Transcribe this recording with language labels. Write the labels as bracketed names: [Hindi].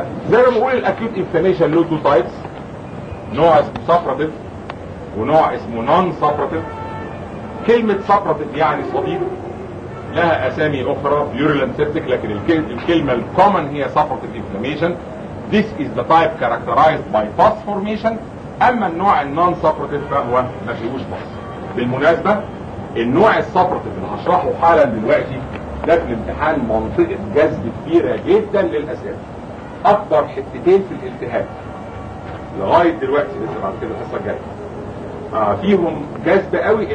[Arabic] زي ما بقول الاكيوت انفلاميشن له تو تايبس، نوع اسمه سبراتيف ونوع اسمه نون سبراتيف. كلمه سبراتيف يعني صديق، لها اسامي اخرى بيورولنت سيبتيك، لكن الكلمه الكومن هي سبراتيف انفلاميشن. [English] This is the type characterized by pus formation. [Arabic] اما النوع النون سبراتيف فهو ما فيهوش pus. بالمناسبه النوع السبراتيف اللي هشرحه حالا دلوقتي ده في الامتحان منطقه جذب كبيره جدا للاسامي، اكبر حتتين في الالتهاب لغايه دلوقتي لسه بعد كده الحصه الجايه فيهم جذب قوي.